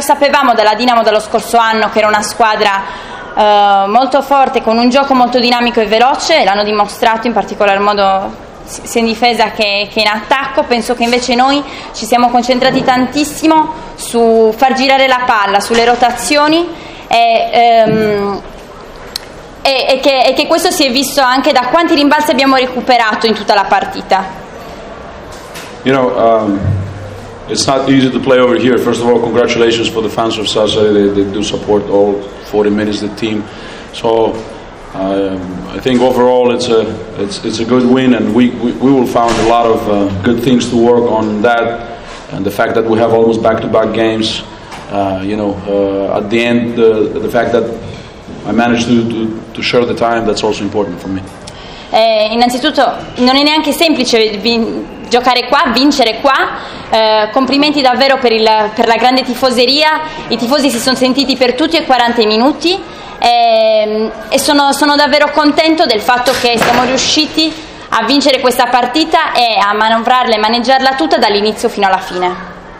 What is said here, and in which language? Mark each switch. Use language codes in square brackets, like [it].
[it] Sapevamo dalla Dinamo dello scorso anno che era una squadra molto forte, con un gioco molto dinamico e veloce, e l'hanno dimostrato in particolar modo sia in difesa che in attacco. Penso che invece noi ci siamo concentrati tantissimo su far girare la palla, sulle rotazioni, e che questo si è visto anche da quanti rimbalzi abbiamo recuperato in tutta la partita. [en] You know, it's not easy to play over here. First of all, congratulations for the fans of Sassari. They do support all 40 minutes the team. So I think overall it's a good win, and we will find a lot of good things to work on that, and the fact that we have almost back-to-back games, at the end the fact that I managed to share the time, that's also important for me. [it] Innanzitutto non è neanche semplice giocare qua, vincere qua. Complimenti davvero per la grande tifoseria. I tifosi si sono sentiti per tutti e 40 minuti. E sono davvero contento del fatto che siamo riusciti a vincere questa partita e a manovrarla e maneggiarla tutta dall'inizio fino alla fine.